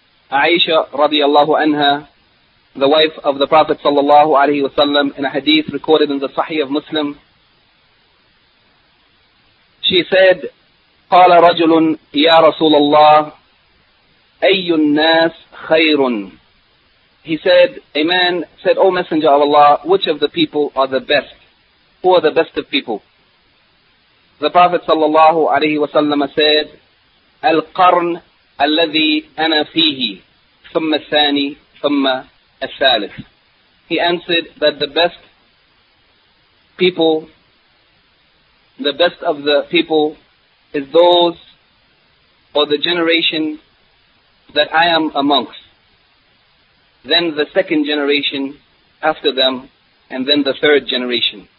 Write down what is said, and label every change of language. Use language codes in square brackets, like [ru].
[en] Aisha radiallahu anha, the wife of the Prophet sallallahu alaihi wasallam, in a hadith recorded in the Sahih of Muslim, she said, [ar] قَالَ رَجُلٌ يَا رَسُولَ اللَّهِ أَيُّ النَّاسِ خَيْرٌ. [en] He said, a man said, O Messenger of Allah, which of the people are the best? Who are the best of people? The Prophet sallallahu alaihi wasallam said, [ar] القرن الذي أنا فيه ثم الثاني ثم الثالث. [en] He answered that the best people, the best of the people, is those or the generation that I am amongst, then the second generation after them, and then the third generation.